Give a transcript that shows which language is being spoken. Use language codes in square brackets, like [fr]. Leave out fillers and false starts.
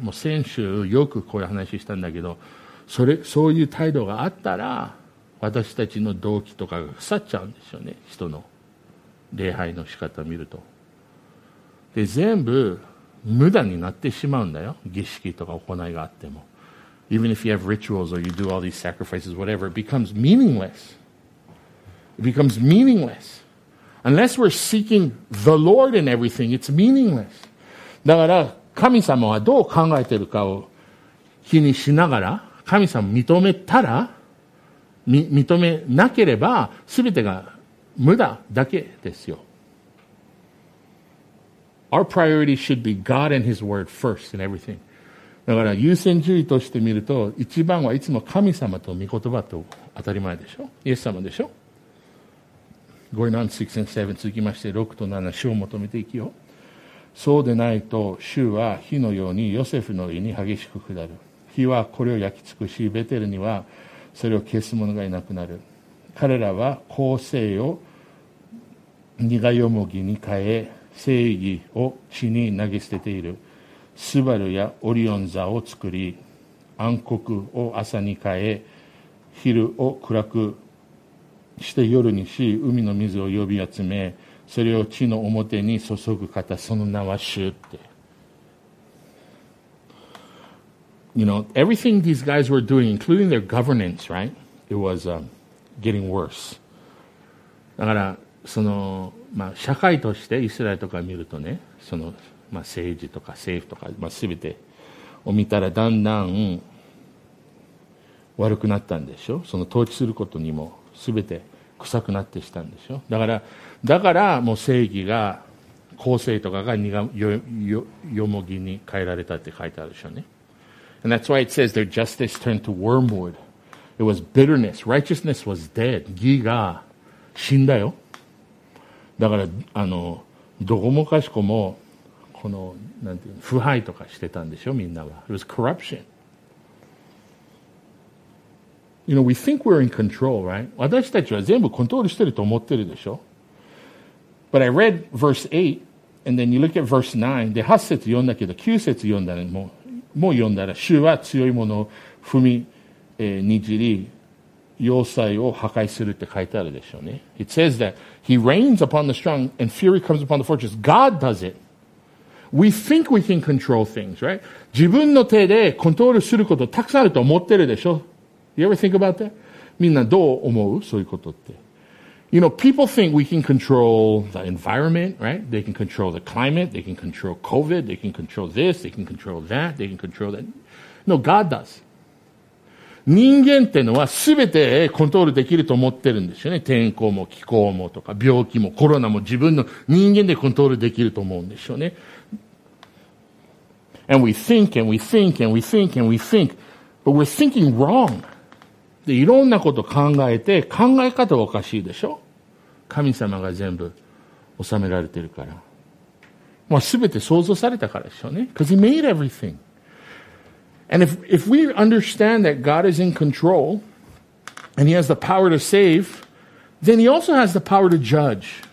[ja] もう先週よくこういう話したんだけど、それ、そういう態度があったら、私たちの動機とかが腐っちゃうんですよね。人の礼拝の仕方を見ると。で、全部無駄になってしまうんだよ。儀式とか行いがあっても。 [en] Even if you have rituals or you do all these sacrifices, whatever, it becomes meaningless. It becomes meaningless. Unless we're seeking the Lord in everything, it's meaningless. [ja] だから神様はどう考えてるかを気にしながら、神様認めたら、認めなければ、すべてが無駄だけですよ。 [en] Our priority should be God and His Word first in everything. [ja] だから優先順位として見ると一番はいつも神様と御言葉と当たり前でしょ。イエス様でしょ。 [en] Going on 6 and 7 [ja] 続きまして6と7主を求めていきよ。そうでないと主は火のようにヨセフの家に激しく下る。火はこれを焼き尽くしベテルにはそれを消す者がいなくなる。彼らは公正を苦よもぎに変え正義を血に投げ捨てている。スバルやオリオン座を作り暗黒を朝に変え昼を暗くして夜にし海の水を呼び集めそれを地の表に注ぐ方その名は主って。 [en] You know, everything these guys were doing, including their governance, right? It was, getting worse. [ja] だから、その、まあ、社会としてイスラエルとか見るとね、そのまあ、政治とか政府とか、まあ、全てを見たらだんだん悪くなったんでしょ。その統治することにも全て臭くなってしたんでしょ。だからもう正義が公正とかが よもぎに変えられたって書いてあるでしょうね。 [en] And that's why it says their justice turned to wormwood. It was bitterness. Righteousness was dead. [ja] 義が死んだよ。だからどこもかしこもこのなんていうの腐敗とかしてたんでしょ、みんなは。 [en] It was corruption. You know, we think we're in control, right? [ja] 私たちは全部コントロールしてると思ってるでしょ。 [en] But I read verse 8, and then you look at verse 9. [ja] で、8節読んだけど、9節読んだら、もう読んだら、主は強いものを踏みにじり、要塞を破壊するって書いてあるでしょうね。 [en] It says that he reigns upon the strong and fury comes upon the fortress. God does it. We think we can control things, right? [ja] 自分の手でコントロールすることたくさんあると思ってるでしょ? [en] You ever think about that? [ja] みんなどう思う？そういうことって。 [en] You know, people think we can control the environment, right? They can control the climate, they can control COVID, they can control this, they can control that, they can control that. No, God does. [ja] 人間ってのは全てコントロールできると思ってるんですよね。天候も気候もとか病気もコロナも自分の人間でコントロールできると思うんですよね。 [en] And we think and we think and we think and we think, but we're thinking wrong. [ja] で、いろんなこと考えて、考え方はおかしいでしょ？神様が全部収められてるから。まあ、全て創造されたからでしょうね。 [en] Because he made everything. And if we understand that God is in control, and he has the power to save, then he also has the power to judge.